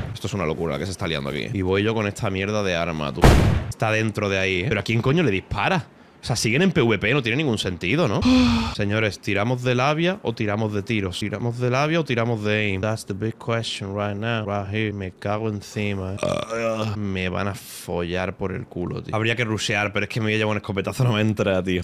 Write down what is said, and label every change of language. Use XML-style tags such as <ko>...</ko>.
<es>Esto es una locura, la que se está liando aquí. Y voy yo con esta mierda de arma, tú. Está dentro de ahí, ¿eh? ¿Pero a quién coño le dispara? O sea, siguen en PvP, no tiene ningún sentido, ¿no? Señores, ¿tiramos de labia o tiramos de tiros? ¿Tiramos de labia o tiramos de aim?</es> <en>That's the big question right now, right here.</en> <es>Me cago encima, ¿eh? Me van a follar por el culo, tío. Habría que rushear, pero es que me voy a llevar un escopetazo, no me entra, tío.</es>